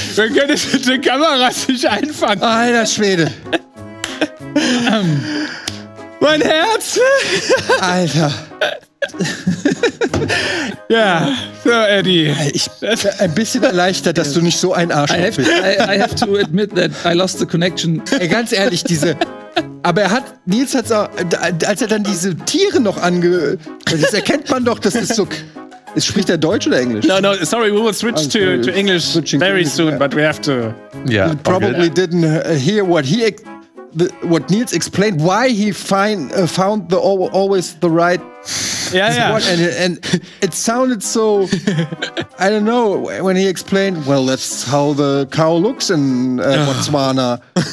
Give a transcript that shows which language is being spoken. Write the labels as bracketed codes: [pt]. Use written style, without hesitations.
[de] Wir können es mit der Kamera nicht einfangen. Alter Schwede. Mein Herz. Alter. Ja, so Eddie. Ich bin ein bisschen erleichtert, dass du nicht so ein Arschloch bist. [en] I have to admit that I lost the connection. [de] Ey, ganz ehrlich, diese. Aber er hat, Nils hat's auch, als er dann diese Tiere noch das erkennt man doch, das ist so. Spricht er Deutsch oder Englisch? [en] No, sorry, we will switch to English very soon, but we have to. Yeah, probably didn't hear what he. what Niels explained, why he found the always the right spot. And it sounded so, I don't know, when he explained, well, that's how the cow looks in Botswana.